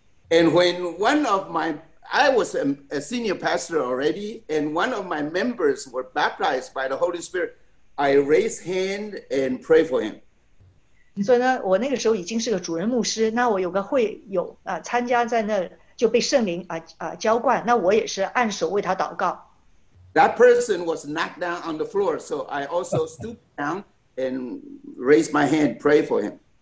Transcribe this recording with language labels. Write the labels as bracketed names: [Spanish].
[English] And when one of my, I was a senior pastor already, and one of my members were baptized by the Holy Spirit, I raised hand and prayed for him. [Chinese] 所以呢，我那个时候已经是个主任牧师，那我有个会友参加在那。就被圣灵浇灌，那我也是按手为他祷告。 [English] That person was knocked down on the floor, so I also stooped down and raised my hand, pray for him.